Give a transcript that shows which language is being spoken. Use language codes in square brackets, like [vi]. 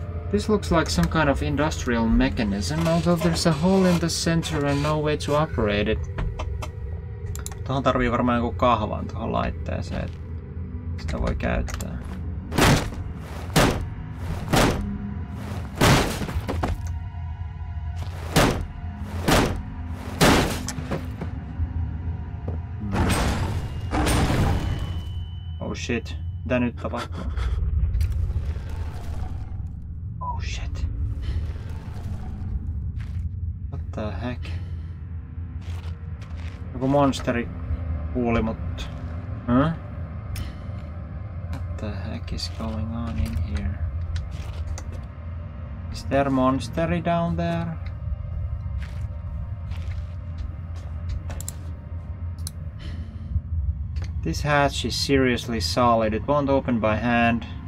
[en] This looks like some kind of industrial mechanism, although there's a hole in the center and no way to operate it. [fi] Tuohon tarvii varmaan joku kahvan tuohon laitteeseen, että sitä voi käyttää. [en] Oh shit. [fi] Mitä nyt tapahtuu? [en] Oh shit. What the heck? [fi] Joku monsteri kuuli mut. Huh? [en] What the heck is going on in here? Is there monsteri down there? This hatch is seriously solid. It won't open by hand.